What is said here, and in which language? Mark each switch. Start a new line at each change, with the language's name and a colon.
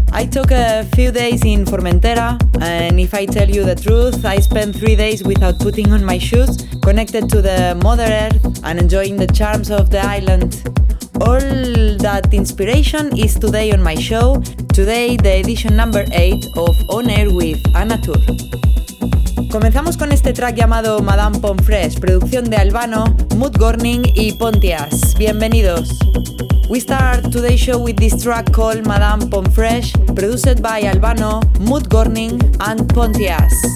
English: I took a few days in Formentera, and if I tell you the truth, I spent 3 days without putting on my shoes, connected to the Mother Earth and enjoying the charms of the island. All that inspiration is today on my show, today the edition number 8 of On Air with Anatur.
Spanish: Comenzamos con este track llamado Madame Pomfres, producción de Albano, Mood Gorning y Pontias. Bienvenidos.
English: We start today's show with this track called Madame Pomfres, produced by Albano, Mood Gorning and Pontias.